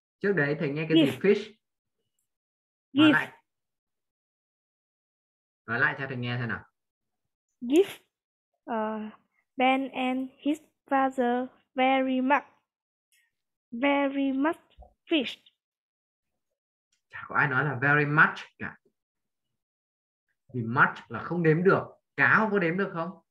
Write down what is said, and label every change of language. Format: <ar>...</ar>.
<vi>Trước đấy thầy nghe cái gì fish?</vi> <en>Give.</en> <vi>Nói lại cho thầy nghe xem nào.</vi> <en>Give Ben and his father very much fish.</en> <vi>Chả có ai nói là</vi> <en>very much</en> <vi>cả. Vì much là không đếm được. Cá không có đếm được không?</vi>